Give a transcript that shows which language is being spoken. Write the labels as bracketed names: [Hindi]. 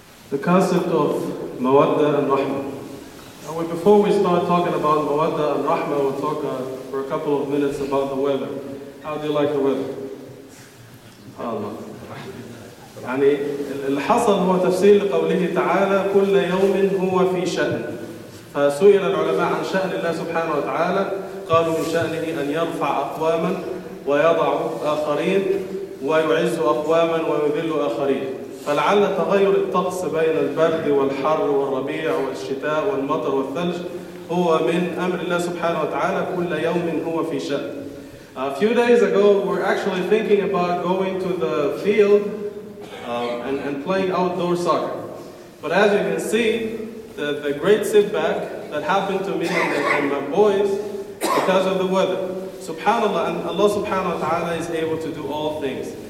[English] The concept of Mawadda and Rahma. Now, before we start talking about Mawadda and Rahma, we'll talk for a couple of minutes about the weather. How do you like the weather? [Arabic] يعني الحصل هو تفسير لقوله تعالى كل يوم هو في شأن. فسئل العلماء عن شأن الله سبحانه وتعالى، قالوا من شأنه أن يرفع أقواما ويضع آخرين ويعز أقواما ويذل آخرين. فلعل تغير الطقس بين البرد والحر والربيع والشتاء والمطر والثلج هو من أمر الله سبحانه وتعالى كل يوم هو في شأن. [English] A few days ago, we were actually thinking about going to the field and playing outdoor soccer. But as you can see, the great setback that happened to me and my boys because of the weather. SubhanAllah, and Allah subhanahu wa ta'ala is able to do all things.